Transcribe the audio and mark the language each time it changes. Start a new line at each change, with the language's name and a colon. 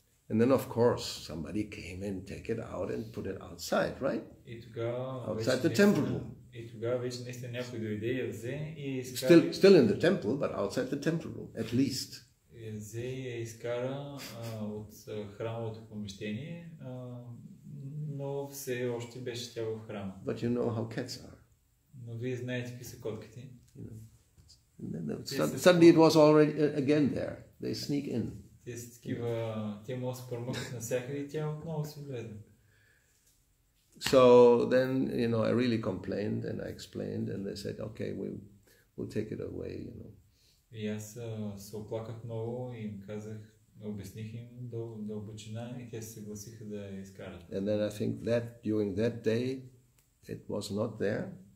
English: And then of course somebody came and take it out and put it outside, right?
Bulgarian: И тогава
English: outside the temple room.
Bulgarian: И тогава вече наистина някой дойде и взе и изкара.
English: Still in the temple, but outside the temple room, at least.
Bulgarian: Взе и изкара от храмовото помещение, но все още беше тя в храма.
English: But you know how cats are.
Bulgarian: Но вие знаете какви са котките.
English: Suddenly it was already again there. They sneak in.
Bulgarian: Те са такива, те могат се промъкват навсякъде и тя отново се влезе.
English: So then, you know, I really complained and I explained and they said, okay, we'll take it away, you know.
Bulgarian: И аз се оплаках много и им казах, обясних им дълбочина и те се съгласиха да я изкарат.
English: And then I think that during that day it was not there.